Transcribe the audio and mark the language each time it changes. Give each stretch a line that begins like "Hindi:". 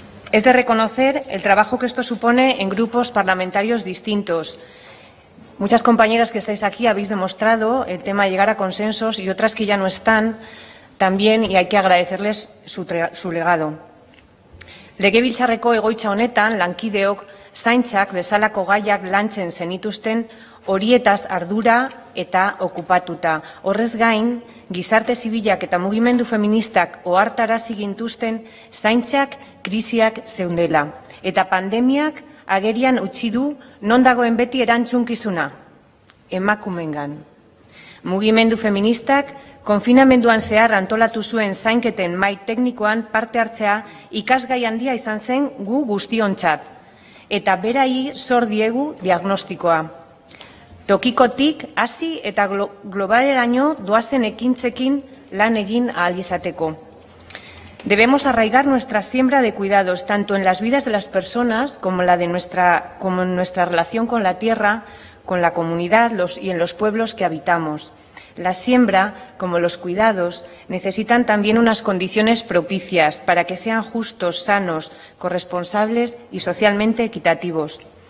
Spanish: Es de reconocer el trabajo que esto supone en grupos parlamentarios distintos. Muchas compañeras que estáis aquí habéis demostrado el tema de llegar a consensos y otras que ya no están, también, y hay que agradecerles su legado.
Basque: Legebiltzarreko egoitza honetan, lankideok, zaintzak, bezalako gaiak lantzen zenituzten, horietaz ardura eta okupatuta. Horrez gain, gizarte zibilak eta mugimendu feministak ohartarazi gintuzten, zaintzak krisiak zeundela. Eta pandemiak agerian utzi du non dagoen beti erantzunkizuna, emakumengan. Mugimendu feministak konfinamenduan zehar antolatu zuen zainketen mahai teknikoan parte hartzea ikasgai handia izan zen gu guztiontzat, eta berai zor diegu diagnostikoa. Tokikotik hasi eta globaleraino doazen ekintzekin lan egin ahal izateko.
Spanish: Debemos arraigar nuestra siembra de cuidados, tanto en las vidas de las personas como, como en nuestra relación con la tierra, con la comunidad y en los pueblos que habitamos. La siembra, como los cuidados, necesitan también unas condiciones propicias para que sean justos, sanos, corresponsables y socialmente equitativos.